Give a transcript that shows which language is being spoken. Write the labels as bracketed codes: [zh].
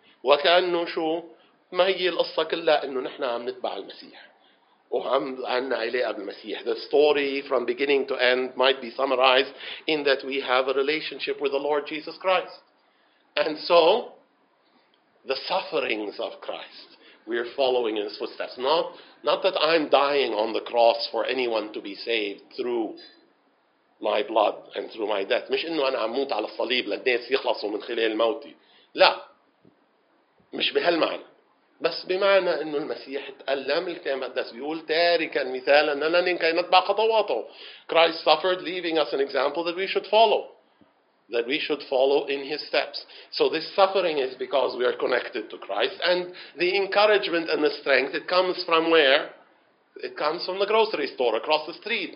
[ar] وكأنه شو ما هي القصة كلها إنه نحن عم نتبع المسيح وعن علاقة بالمسيح. [en] The story from beginning to end might be summarized in that we have a relationship with the Lord Jesus Christ. And so, the sufferings of Christ, we are following in His footsteps. Not that I'm dying on the cross for anyone to be saved through my blood and through my death. [ar] مش إنه أنا عم موت على الصليب للناس يخلصوا من خلال موتي. لا. مش بهالمعنى. بس بمعنى إنه المسيح تألم. الكتاب المقدس بيقول تاركا مثالا أننا إن كي نتبع خطواته. [en] Christ suffered, leaving us an example that we should follow. That we should follow in His steps. So this suffering is because we are connected to Christ. And the encouragement and the strength, it comes from where? It comes from the grocery store across the street.